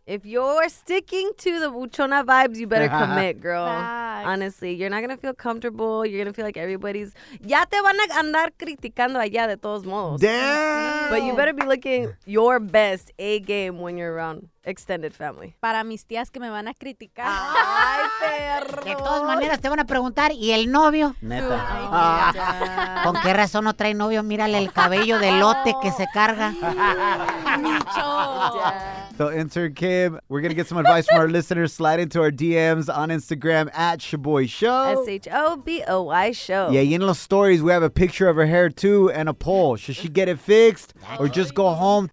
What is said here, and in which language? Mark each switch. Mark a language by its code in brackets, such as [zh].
[en] If you're sticking to the buchona vibes, you better commit, girl. Honestly, you're not going to feel comfortable. You're going to feel like everybody's... [es] Ya te van a andar criticando allá de todos modos. [en] Damn! But you better be looking your best A-game when you're around extended family. [es] Para mis tías que me van a criticar. ¡Ay, perro! De todas maneras, te van a preguntar, ¿y el novio? Neta. ¿Con qué razón no trae novio? Mírale el cabello de elote que se carga. ¡Micho! [en] So Intern Kim, we're going to get some advice from our listeners. Slide into our DMs on Instagram at Shaboy Show. S-H-O-B-O-Y Show. Yeah, you know, stories. We have a picture of her hair, too, and a poll. Should she get it fixed or just go home?